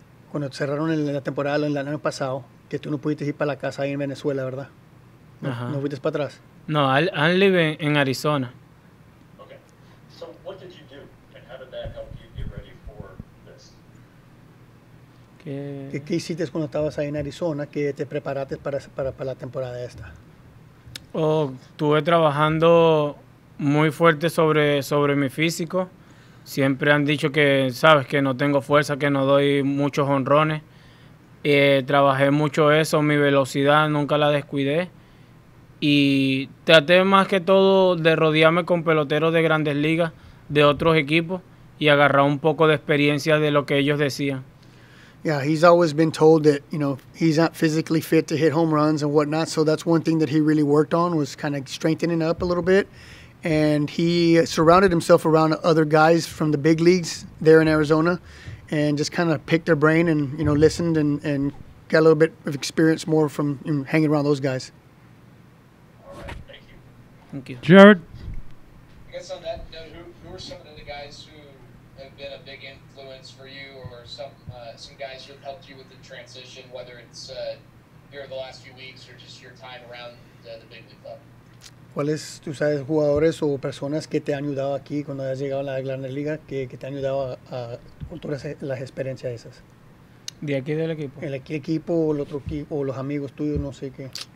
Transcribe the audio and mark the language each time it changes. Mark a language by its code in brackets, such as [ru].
[es] Cuando cerraron la temporada el año pasado, que tú no pudiste ir para la casa ahí en Venezuela, ¿verdad? No, no fuiste para atrás. [en] No, I live in Arizona. Okay. So what did you do, and how did that help you get ready for this? [es] ¿Qué hiciste cuando estabas ahí en Arizona, que te preparaste para la temporada esta? Oh, estuve trabajando muy fuerte sobre mi físico. Siempre han dicho que, sabes, que no tengo fuerza, que no doy muchos jonrones. Trabajé mucho eso, mi velocidad nunca la descuidé. Y traté más que todo de rodearme con peloteros de Grandes Ligas, de otros equipos, y agarrar un poco de experiencia de lo que ellos decían. [en] Yeah, he's always been told that, you know, he's not physically fit to hit home runs and whatnot. So that's one thing that he really worked on, was kind of strengthening up a little bit. And he surrounded himself around other guys from the big leagues there in Arizona, and just kind of picked their brain and, you know, listened and got a little bit of experience more from, you know, hanging around those guys. All right, thank you. Thank you. Jared? I guess on that note, who are some of the guys who have been a big influence for you, or some guys who have helped you with the transition, whether it's here the last few weeks or just your time around the big league club? [es] ¿Cuáles, tú sabes, jugadores o personas que te han ayudado aquí cuando has llegado a la Grandes Ligas, que te han ayudado a todas las experiencias esas? ¿De aquí del equipo? El equipo o el otro equipo, o los amigos tuyos, no sé qué.